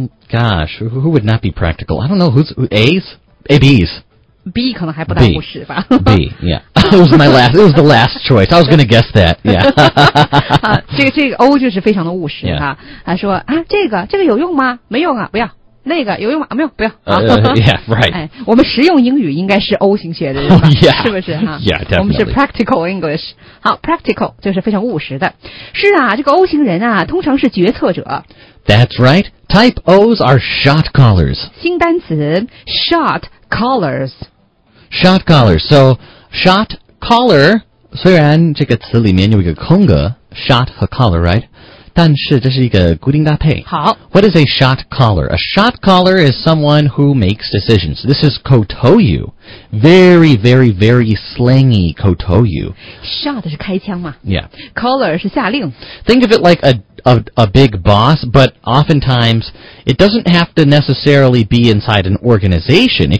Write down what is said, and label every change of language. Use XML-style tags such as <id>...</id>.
<en>Gosh, who would not be practical? I don't know who's A's, A B's.</en> <zh>B 可能还不太务实吧。</zh> <en>B, yeah. It was my last, it was the last choice. I was going to guess that, yeah.</en> <zh>这个 O 就是非常的务实、</zh> <en>yeah. 啊。</en> <zh>他说啊这个有用吗没用啊不要。那个有用吗没有不要。</zh> <en>yeah, right.、</en> <zh>哎、我们实用英语应该是 O 型学的、</zh> <en>oh, yeah.</en> <zh>是不是、啊、</zh> <en>Yeah, definitely.</en> <zh>我们是</zh> <en>practical English.</en> <zh>好 ,practical 就是非常务实的。是啊这个 O 型人啊通常是决策者。</zh> <en>That's right. Type O's are shot callers.</en> <zh>新单词 ,shot callers.</zh> <en>Shot caller. So, shot caller,</en> <zh>虽然这个词里面有一个空格</zh> <en>shot 和 caller, right?</en> <zh>但是这是一个固定搭配。好。</zh> <en>What is a shot caller? A shot caller is someone who makes decisions. This is kotoyu. Very, very, very slangy kotoyu.</en> <zh>Shot 是开枪嘛。</zh> <en>Yeah.</en> <zh>Caller 是下令。</zh> <en>Think of it like a big boss, but oftentimes it doesn't have to necessarily be inside an organization.</en>